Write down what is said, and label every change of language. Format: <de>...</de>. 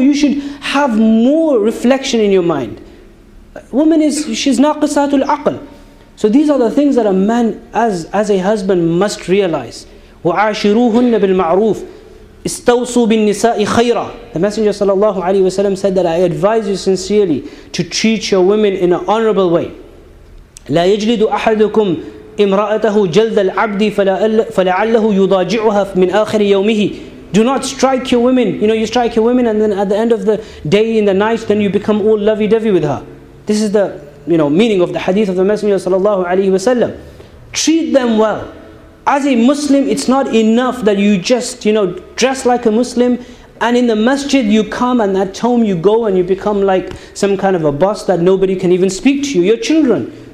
<en>You should have more reflection in your mind. Woman is, she's naqisatul aql. So these are the things that a man, as a husband, must realize.</en> <ar>وَعَاشِرُوهُنَّ بِالْمَعْرُوفِ اسْتَوْصُوا بِالنِّسَاءِ خَيْرًا.</ar> <en>The Messenger sallallahu alayhi wa sallam said that, I advise you sincerely to treat your women in an honorable way.</en> <ar>لا يجلد أحدكم امرأته جلد العبد فلعله يضاجعها من آخر يومه.</ar> <en>Do not strike your women. You know, you strike your women and then at the end of the day, in the night, then you become all lovey-dovey with her. This is the, you know, meaning of the hadith of the Messenger sallallahu alayhi wa sallam. Treat them well. As a Muslim, it's not enough that you just, you know, dress like a Muslim and in the masjid you come and at home you go and you become like some kind of a boss that nobody can even speak to you. Your children.</en>